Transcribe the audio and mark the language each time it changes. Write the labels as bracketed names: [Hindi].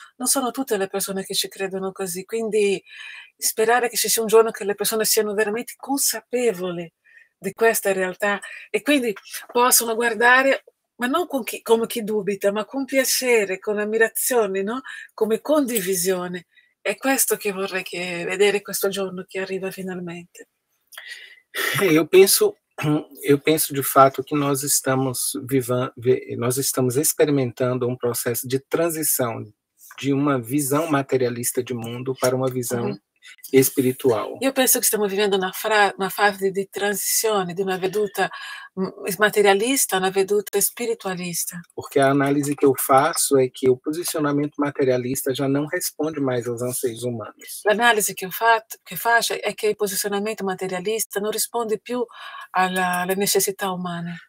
[Italian] Non sono tutte le persone che ci credono così, quindi sperare che ci sia un giorno che le persone siano veramente consapevoli di questa realtà e quindi possono guardare, ma non come chi dubita, ma con piacere, con ammirazione, no? Come condivisione. È questo che vorrei vedere questo giorno che arriva finalmente. [Portuguese] Eu penso de fato que nós estamos experimentando um processo de transição de uma visão materialista de mundo para uma visão [Italian] spirituale. Io penso che stiamo vivendo una fase di transizione, di una veduta materialista a una veduta spiritualista. [Portuguese] Porque a análise que eu faço é que o posicionamento materialista já não responde mais aos anseios humanos. [Italian] L'analisi che faccio è che il posizionamento materialista non risponde più alle necessità umane.